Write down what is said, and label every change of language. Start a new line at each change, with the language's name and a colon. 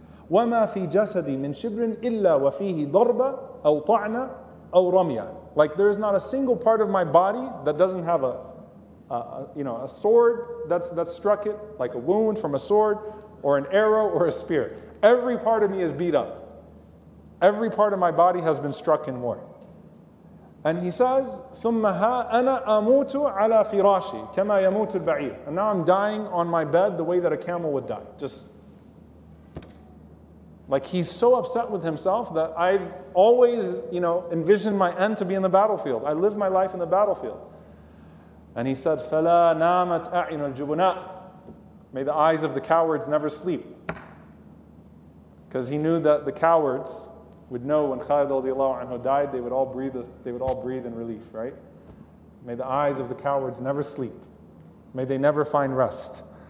Arabic: وَمَا فِي جَسَدِي مِنْ شِبْرٍ إِلَّا وَفِيهِ ضَرْبَ أَوْ طَعْنَ أَوْ رَمْيَ.
English: Like, there is not a single part of my body that doesn't have a sword that's struck it, like a wound from a sword, or an arrow, or a spear. Every part of me is beat up. Every part of my body has been struck in war. And he says,
Arabic: ثُمَّ هَا أَنَا أَمُوتُ عَلَى فِرَاشِي كَمَا يَمُوتُ الْبَعِيرُ.
English: And now I'm dying on my bed the way that a camel would die. Just, like, he's so upset with himself that I've always, you know, envisioned my end to be in the battlefield. I live my life in the battlefield. And he said,
Arabic: فَلَا نَامَتْ أَعْيُنُ الْجُبُنَاءِ.
English: May the eyes of the cowards never sleep. Because he knew that the cowards would know when Khalid radiallahu anhu died, they would all breathe in relief, right? May the eyes of the cowards never sleep. May they never find rest.